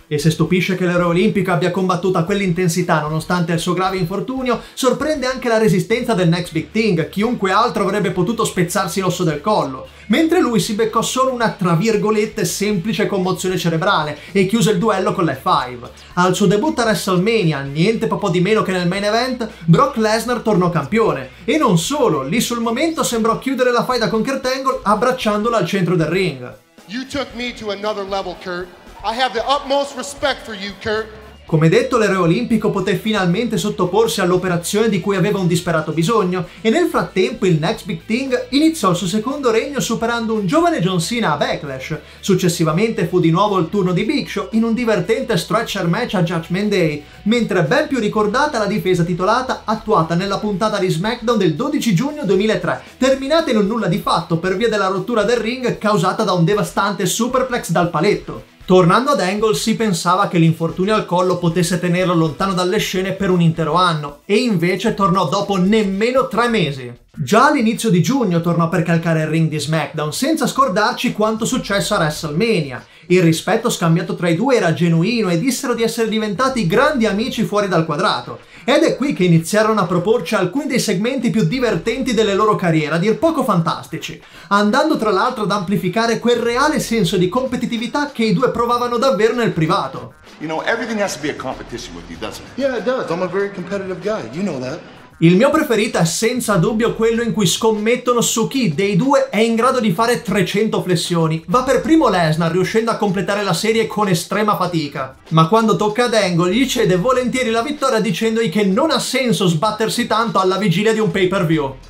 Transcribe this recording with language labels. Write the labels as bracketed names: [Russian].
[Italian] E se stupisce che l'eroe olimpico abbia combattuto a quell'intensità nonostante il suo grave infortunio, sorprende anche la resistenza del Next Big Thing, chiunque altro avrebbe potuto spezzarsi l'osso del collo, mentre lui si beccò solo una tra virgolette semplice commozione cerebrale e chiuse il duello con l'F5. Al suo debutto a WrestleMania, niente po' di meno che nel main event, Brock Lesnar tornò campione. E non solo, lì sul momento sembrò chiudere la faida con Kurt Angle abbracciandolo al centro del ring. [English] You took me to another level, Kurt. I have the utmost respect for you, Kurt. [Italian] Come detto, l'eroe olimpico poté finalmente sottoporsi all'operazione di cui aveva un disperato bisogno, e nel frattempo il Next Big Thing iniziò il suo secondo regno superando un giovane John Cena a Backlash. Successivamente fu di nuovo il turno di Big Show in un divertente stretcher match a Judgment Day, mentre ben più ricordata la difesa titolata attuata nella puntata di SmackDown del 12 giugno 2003, terminata in un nulla di fatto per via della rottura del ring causata da un devastante superplex dal paletto. Tornando ad Angle, si pensava che l'infortunio al collo potesse tenerlo lontano dalle scene per un intero anno, e invece tornò dopo nemmeno 3 mesi. Già all'inizio di giugno tornò per calcare il ring di SmackDown, senza scordarci quanto successo a WrestleMania. Il rispetto scambiato tra i due era genuino e dissero di essere diventati grandi amici fuori dal quadrato. Ed è qui che iniziarono a proporci alcuni dei segmenti più divertenti delle loro carriere, a dir poco fantastici, andando tra l'altro ad amplificare quel reale senso di competitività che i due provavano davvero nel privato. [English] You know, everything has to be a competition with you, doesn't it? Yeah, it does. I'm a very competitive guy, you know that. [Italian] Il mio preferito è senza dubbio quello in cui scommettono su chi dei due è in grado di fare 300 flessioni. Va per primo Lesnar, riuscendo a completare la serie con estrema fatica. Ma quando tocca ad Angle, gli cede volentieri la vittoria dicendogli che non ha senso sbattersi tanto alla vigilia di un pay-per-view.